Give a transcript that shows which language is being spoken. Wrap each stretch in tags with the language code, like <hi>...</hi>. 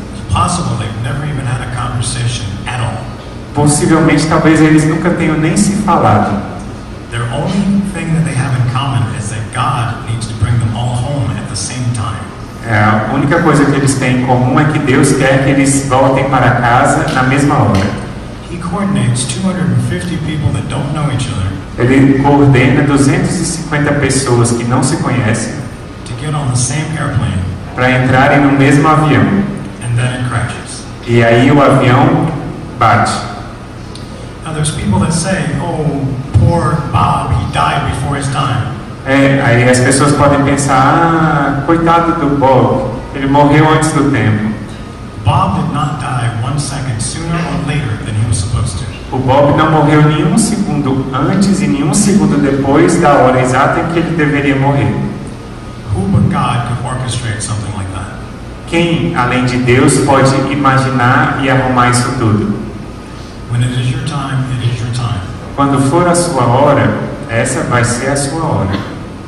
<en>It's possible they've never even had a conversation at all.</en> <pt>Possivelmente, talvez eles nunca tenham nem se falado.</pt> <en>Their only thing that they have in common is that God needs to bring them all home at the same time.</en> <pt>A única coisa que eles têm em comum é que Deus quer que eles voltem para casa na mesma hora.</pt> <en>He coordinates 250 people that don't know each other.</en> <pt>Ele coordena 250 pessoas que não se conhecem</pt> <en>to get on the same airplane,</en> <pt>para entrarem no mesmo avião.</pt> <en>And then it crashes.</en> <pt>E aí o avião bate.</pt> <en>Now there's people that say, oh, poor Bob, he died before his time.</en> <pt>Aí as pessoas podem pensar, ah, coitado do Bob, ele morreu antes do tempo.</pt> <en>Bob did not die 1 second sooner or later than he was supposed to.</en> <pt>O Bob não morreu nenhum segundo antes e nenhum segundo depois da hora exata em que ele deveria morrer.</pt> <en>Who but God could orchestrate something like that?</en> <pt>Quem, além de Deus, pode imaginar e arrumar isso tudo?</pt> <en>When it is your time, it is your time.</en> <pt>Quando for a sua hora, essa vai ser a sua hora.</pt>